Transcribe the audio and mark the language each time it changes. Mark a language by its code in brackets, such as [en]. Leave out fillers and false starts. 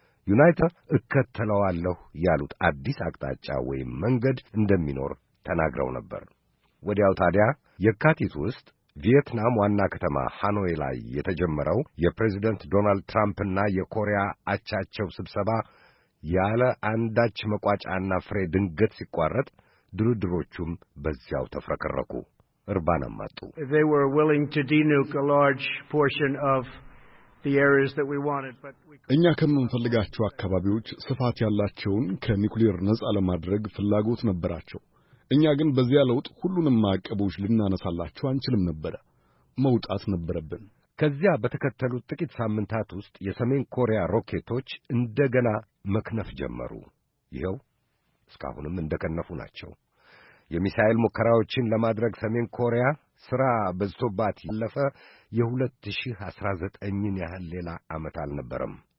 [am] ዩናይትድ እከተለዋለሁ ያሉት አዲስ አቅጣጫ ወይም መንገድ እንደሚኖር ተናግረው ነበር። ወዲያው ታዲያ የካቲት ውስጥ ቪየትናም ዋና ከተማ ሃኖይ ላይ የተጀመረው የፕሬዚደንት ዶናልድ ትራምፕና የኮሪያ አቻቸው ስብሰባ ያለ አንዳች መቋጫና ፍሬ ድንገት ሲቋረጥ ድርድሮቹም በዚያው ተፈረከረኩ፣ እርባና ማጡ። [en] They were willing to denuke a large portion of the areas that we wanted but [am] እኛ ከምንፈልጋቸው አካባቢዎች ስፋት ያላቸውን ከኒኩሌር ነጻ ለማድረግ ፍላጎት ነበራቸው። እኛ ግን በዚያ ለውጥ ሁሉንም ማቀቦች ልናነሳላቸው አንችልም ነበር፣ መውጣት ነበረብን። ከዚያ በተከተሉት ጥቂት ሳምንታት ውስጥ የሰሜን ኮሪያ ሮኬቶች እንደገና መክነፍ ጀመሩ። ይሄው እስካሁንም እንደከነፉ ናቸው። የሚሳኤል ሙከራዎችን ለማድረግ ሰሜን ኮሪያ ሥራ በዝቶባት ያለፈ የ2019ን ያህል ሌላ ዓመት አልነበረም።